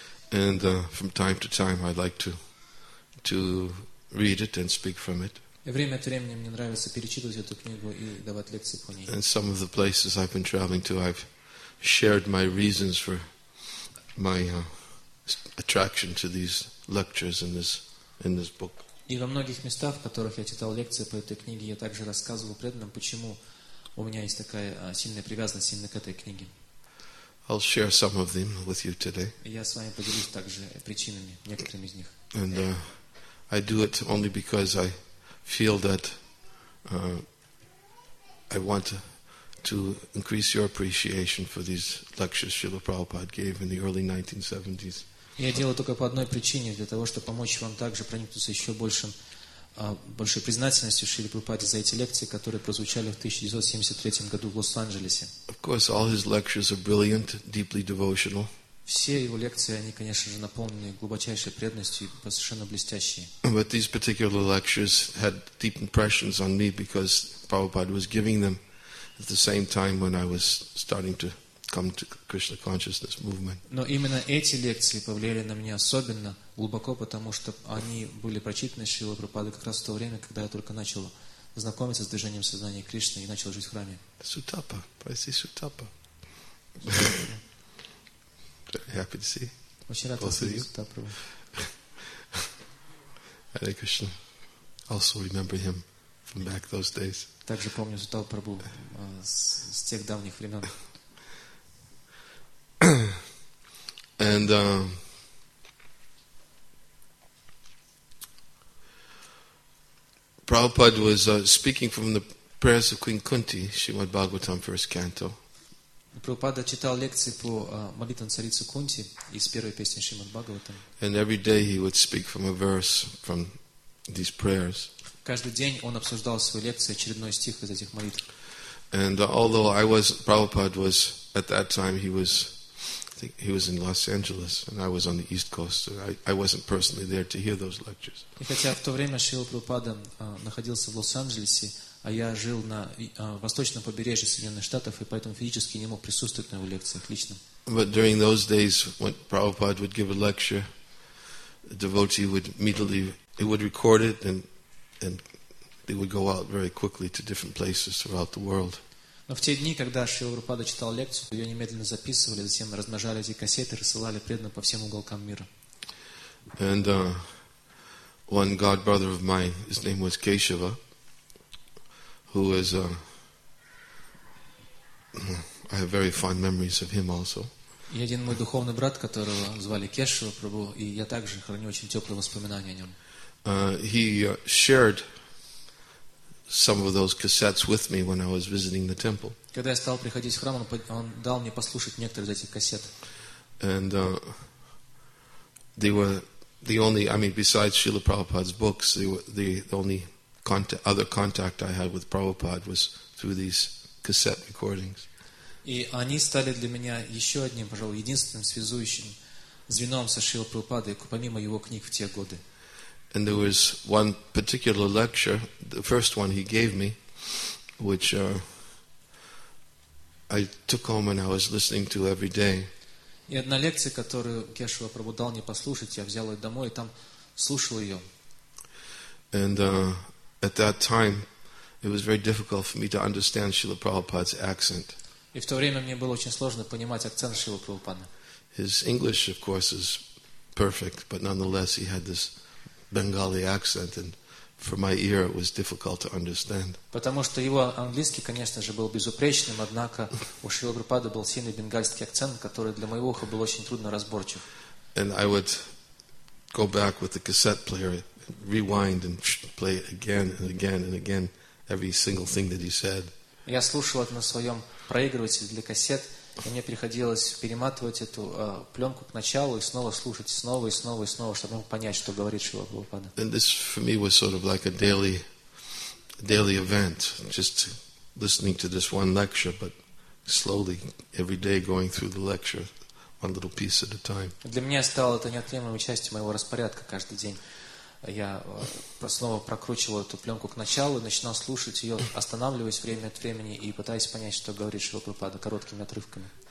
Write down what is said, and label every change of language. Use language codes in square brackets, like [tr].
[en] And from time to time I'd like to read it and speak from it. [ru] И время от времени мне нравится перечитывать эту книгу и давать лекции по ней. [en] And some of the places I've been traveling to, I've shared my reasons for my attraction to these lectures in this book. [ru] И во многих местах, в которых я читал лекции по этой книге, я также рассказывал преданным, почему у меня есть такая сильная привязанность именно к этой книге. [en] I'll share some of them with you today. [ru] Я с вами поделюсь также причинами некоторыми из них. [en] And I do it only because I feel that I want to increase your appreciation for these lectures Srila Prabhupada gave in the early 1970s. [ru] Я делаю только по одной причине, для того, чтобы помочь вам также проникнуться еще большей признательностью Шриле Прабхупаде за эти лекции, которые прозвучали в 1973 году в Лос-Анджелесе. [en] Of course, all his lectures are brilliant, deeply devotional. [ru] Все его лекции, они, конечно же, наполнены глубочайшей преданностью и совершенно блестящие. [en] But these particular lectures had deep impressions on me because Prabhupada was giving them at the same time when I was starting to come to Krishna consciousness movement. [ru] Но именно эти лекции повлияли на меня особенно глубоко, потому что они были прочитаны Шрилой Прабхупадой как раз в то время, когда я только начал знакомиться с движением сознания Кришны и начал жить в храме. Сутапа, прости, Сутапа. [en] Happy to see. [ru] Очень рад вас видеть, Сутапа. [en] Hare Krishna. Also remember him from back those days. [ru] Также помню Сутапу Прабху с тех давних времен. [en] And Prabhupada was speaking from the prayers of Queen Kunti, Srimad Bhagavatam, first canto. [ru] Prabhupada читал лекции по молитвам царицы Кунти из первой песни Шримад Бхагаватам. [en] And every day he would speak from a verse from these prayers. [ru] Каждый день он обсуждал свои лекции очередной стих из этих молитв. [en] And although Prabhupada was at that time he was in Los Angeles and I was on the East Coast, so I wasn't personally there to hear those lectures. [ru] И хотя в то время Шрила Прабхупада находился в Лос-Анджелесе, а я жил на восточном побережье Соединенных Штатов и поэтому физически не мог присутствовать на его лекциях лично. [en] But during those days when Prabhupada would give a lecture, a devotee would immediately he would record it and they would go out very quickly to different places throughout the world. [ru] Но в те дни, когда Шрила Прабхупада читал лекцию, ее немедленно записывали, затем размножали эти кассеты и рассылали преданно по всем уголкам мира. [en] And one god brother of mine, his name was Keshava, who is I have very fond memories of him also. [ru] И один мой духовный брат, которого звали Кешава Прабху, и я также храню очень теплые воспоминания о нем. [en] He shared some of those cassettes with me when I was visiting the temple. [ru] Когда я стал приходить в храм, он дал мне послушать некоторые из этих кассет. [en] And they were the only, I mean, besides Srila Prabhupada's books, they were the only other contact I had with Prabhupada was through these cassette recordings. [ru] И они стали для меня еще одним, пожалуй, единственным связующим звеном со Шрилой Прабхупадой, помимо его книг в те годы. [en] And there was one particular lecture, the first one he gave me, which I took home and I was listening to every day. [ru] И одна лекция, которую Кешава Прабху дал мне послушать, я взял ее домой и там слушал ее. [en] And at that time, it was very difficult for me to understand Srila Prabhupada's accent. [ru] И в то время мне было очень сложно понимать акцент Шрилы Прабхупады. [en] His English, of course, is perfect, but nonetheless, he had this Bengali accent, and for my ear it was difficult to understand. [ru] Потому что его английский, конечно же, был безупречным, однако у Шрилы Прабхупады был сильный бенгальский акцент, который для моего уха был очень трудно разборчив. [en] And I would go back with the cassette player, rewind and play again and again and again every single thing that he said. [ru] Я слушал это на своем проигрывателе для кассет, и мне приходилось перематывать эту пленку к началу и снова слушать, снова и снова и снова, чтобы понять, что говорит Шрила Прабхупада. [en] And this for me was sort of like a daily daily event, just listening to this one lecture, but slowly, every day, going through the lecture, one little piece at a time. [ru] Для меня стало это неотъемлемой частью моего распорядка каждый день. Я снова прокручивал эту пленку к началу, начинал слушать ее, останавливаясь время от времени и пытаясь понять, что говорит Шрила Прабхупада короткими отрывками.